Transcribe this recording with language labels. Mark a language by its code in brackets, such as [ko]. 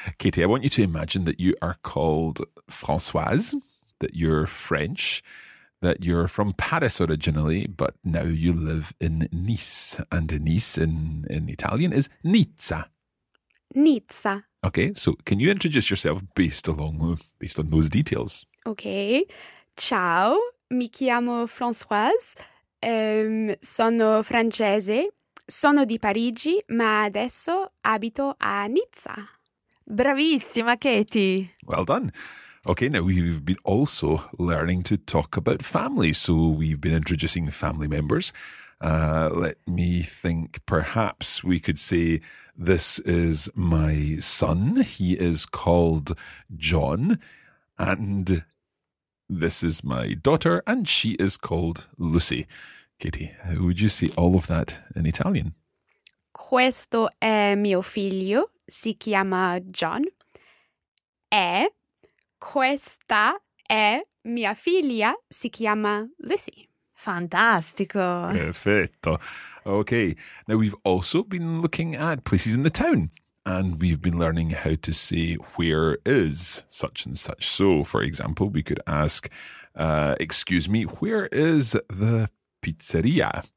[en] Katie, I want you to imagine that you are called Françoise, that you're French, that you're from Paris originally, but now you live in Nice. And Nice in Italian is Nizza. Nizza. Okay, so can you introduce yourself based on those details? [it] Okay, ciao, mi chiamo Françoise, sono francese, sono di Parigi, ma adesso abito a Nizza. Bravissima, Katie! [en] Well done. Okay, now we've been also learning to talk about family, so we've been introducing family members. Let me think, perhaps we could say, this is my son, he is called John, and this is my daughter, and she is called Lucy. Katie, would you say all of that in Italian? [it] Questo è mio figlio, si chiama John, e questa è mia figlia, si chiama Lucy. Fantastico. Perfetto. [en] Okay. Now we've also been looking at places in the town. And we've been learning how to say where is such and such. So, for example, we could ask, excuse me, where is the pizzeria?